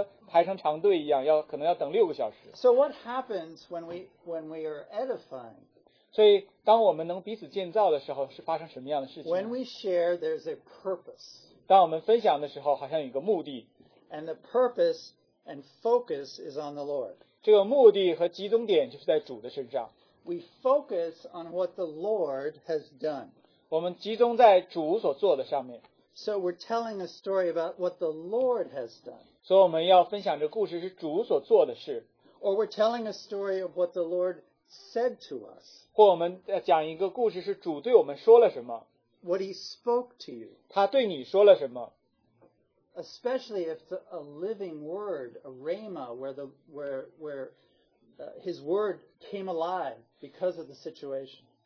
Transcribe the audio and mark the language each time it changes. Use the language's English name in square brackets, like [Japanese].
[Chinese] 如果我们每个人都讲故事的话，我们就好像等加油的那个路车排成长队一样，要可能要等6个小时。 [English] So what happens when we are edifying? [Chinese] 所以当我们能彼此建造的时候，是发生什么样的事情？ [English] When we share, there's a purpose. [Chinese] 当我们分享的时候，好像有一个目的。 [English] And the purpose and focus is on the Lord. [Chinese] 这个目的和集中点就是在主的身上。 [English] We focus on what the Lord has done. [Chinese] 我们集中在主所做的上面。 [English] So we're telling a story about what the Lord has done. [Chinese] 所以我们要分享这故事是主所做的事。 [English] Or we're telling a story of what the Lord said to us. [Chinese] 或我们讲一个故事是主对我们说了什么。 [English] What he spoke to you. [Chinese] 他对你说了什么。 [English] Especially if it's a living word, a rhema, where his word came alive because of the situation.